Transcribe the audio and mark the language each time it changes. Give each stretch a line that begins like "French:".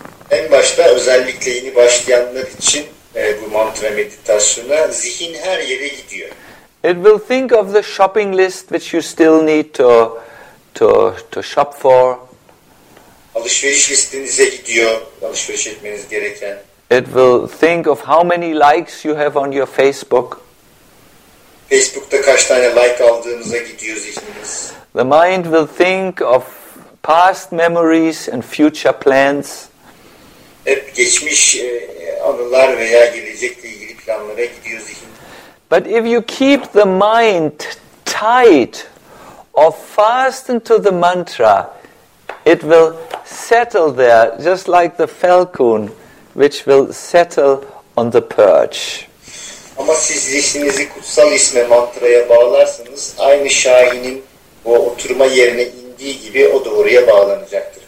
Turkish: En başta özellikle yeni başlayanlar için bu mantra meditasyonu zihin her yere gidiyor.
English: It will think of the shopping list which you still need to shop for.
Turkish: Alışveriş listenize gidiyor, alışveriş etmeniz gereken.
English: It will think of how many likes you have on your Facebook.
Turkish: Facebook'ta kaç tane like aldığınıza gidiyor zihniniz.
English: The mind will think of past memories and future plans.
Turkish: Hep geçmiş anılar veya gelecekle ilgili planlara gidiyor zihin.
English: But if you keep the mind tight or fastened to the mantra, it will settle there just like the falcon which will settle on the perch.
Turkish: Ama siz zihninizi kutsal isme, mantraya bağlarsanız aynı Şahin'in o oturma yerine indiği gibi o da oraya bağlanacaktır.